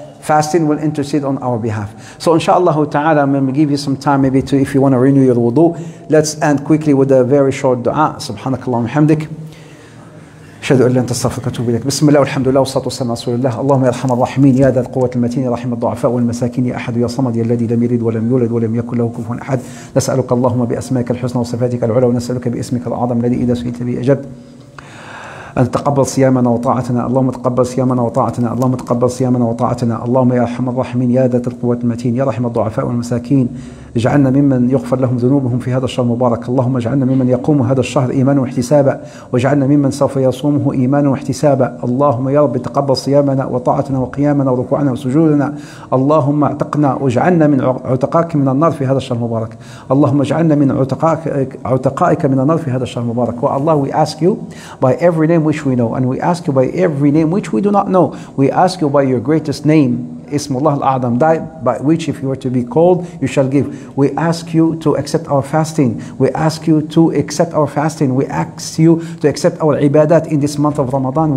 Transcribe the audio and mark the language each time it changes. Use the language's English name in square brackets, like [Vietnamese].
[English] Fasting will intercede on our behalf. So inshallah ta'ala, I'm going to give you some time maybe to, if you want to renew your wudu. Let's end quickly with a very short dua. [Arabic] Subhanakallah wa hamdik. أشهد أن لا إله إلا أنت أستغفرك وأتوب إليك. بسم الله والحمد لله والصلاة والسلام على رسول الله. اللهم يا أرحم الراحمين يا ذا القوة المتين يا رحم الضعفاء والمساكين يا أحد يا صمد يا الذي لم يلد ولم يولد ولم يكن له كفوا أحد. نسألك اللهم بأسمائك الحسنى وصفاتك العلى ونسألك بإسمك الأعظم الذي إذا سئلت به أجبت أن تقبل صيامنا وطاعتنا. اللهم تقبل صيامنا وطاعتنا. اللهم تقبل صيامنا وطاعتنا. اللهم يا أرحم الراحمين يا ذا القوة المتين يا رحم الضعفاء والمساكين اجعلنا ممن يغفر لهم ذنوبهم في هذا الشهر المبارك. اللهم اجعلنا ممن يقوم هذا الشهر إيمانا واحتسابا واجعلنا ممن سوف يصومه إيمانا واحتسابا. اللهم يا رب تقبل صيامنا وطاعتنا وقيامنا وركوعنا وسجودنا. اللهم اعتقنا واجعلنا من عتقائك من النار في هذا الشهر المبارك. اللهم اجعلنا من عتقائك من النار في هذا الشهر المبارك. [English] والله we ask you by every name which we know and we ask you by every name which we do not know. We ask you by your greatest name. [Arabic] اسم الله الأعظم [English] by which if you were to be called you shall give. We ask you to accept our fasting. We ask you to accept our fasting. We ask you to accept our ibadat in this month of Ramadan.